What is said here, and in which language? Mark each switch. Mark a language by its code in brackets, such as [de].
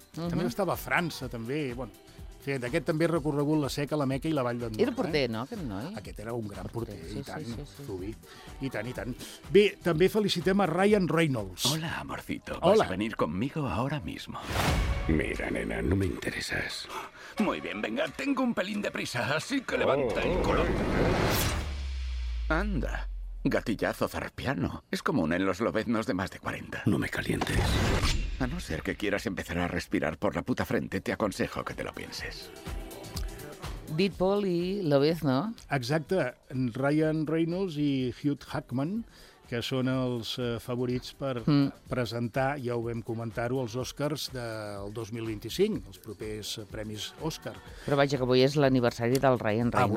[ca] També estava a França, també, bueno. Aquest també ha recorregut la Seca, la Meca i la Vall d'Andorra. Era porter, no, aquest noi? Aquest era un gran porter, sí, i tant, Zubi. Sí, sí, sí. I tant, i tant. Bé, també felicitem a Ryan Reynolds. [es] Hola, amorcito. Hola. ¿Vas a venir conmigo ahora mismo? Mira, nena, no me interesas. Muy bien, venga, tengo un pelín de prisa, así que levanta el colón. Anda, gatillazo zarpiano. Es común en los lobeznos de más de 40. No me calientes. A no ser que quieras empezar a respirar por la puta frente, te aconsejo que te lo pienses. [ca] Deadpool i Lobezno. Exacte. Ryan Reynolds i Hugh Jackman, que són els favorits per presentar, ja ho vam comentar-ho, els Oscars del 2025, els propers premis Oscar. Però vaja, que avui és l'aniversari del Ryan Reynolds.